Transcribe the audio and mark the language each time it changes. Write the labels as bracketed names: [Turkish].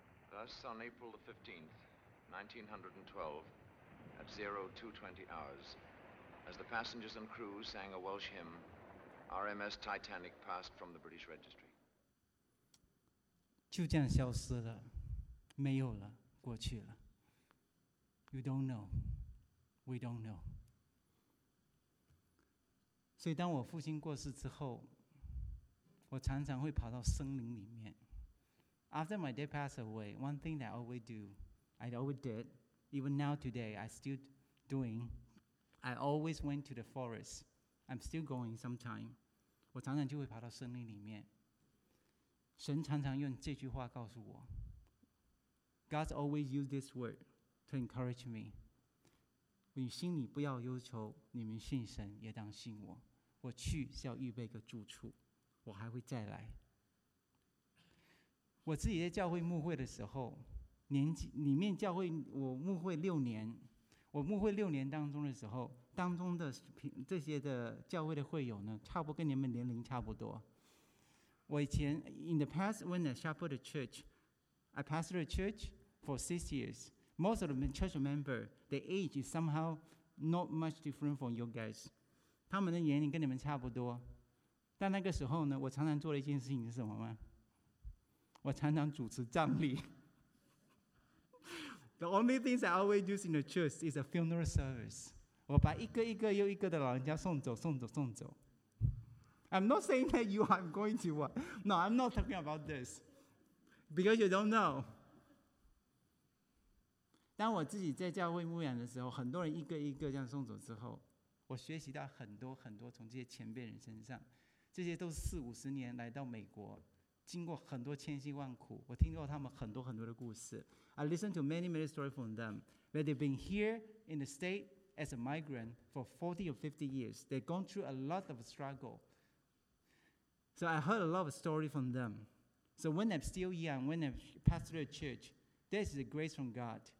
[English] Thus, on April the 15th, 1912, at 0220 hours, as the passengers and crew sang a Welsh hymn, RMS Titanic passed from the British Registry. [Chinese] 就这样消失了，没有了，过去了。 [English] You don't know, we don't know. [Chinese] 所以当我父亲过世之后，我常常会跑到森林里面。 [English] After my dad passed away, one thing that I always do, I always did, even now today, I still doing, I always went to the forest. I'm still going sometime. [Chinese] 我常常就会跑到森林里面。神常常用这句话告诉我。 [English] God always used this word to encourage me. [Chinese] 你心里不要忧愁，你们信神也当信我。我去是要预备个住处，我还会再来。我自己在教会牧会的时候，年纪里面教会我牧会六年，我牧会六年当中的时候，当中的这些的教会的会友呢，差不多跟你们年龄差不多。我以前 [English] in the past when I shepherd a church, I pastored a church for 6 years. Most of the church member, the age is somehow not much different from you guys. [Chinese] 他们的年龄跟你们差不多，但那个时候呢，我常常做的一件事情是什么吗？我常常主持葬礼。 [English] The only things I always do in the church is a funeral service. [Chinese] 我把一个一个又一个的老人家送走，送走，送走。 [English] I'm not saying that you are going to what. No, I'm not talking about this. Because you don't know. [Chinese] 当我自己在教会牧养的时候，很多人一个一个这样送走之后，我学习到很多很多从这些前辈人身上，这些都是四五十年来到美国。经过很多千辛万苦，我听过他们很多很多的故事。 [English] I listened to many, many stories from them. But they've been here in the state as a migrant for 40 or 50 years. They've gone through a lot of struggle. So I heard a lot of stories from them. So when I'm still young, when I'm pastor of church, this is a grace from God.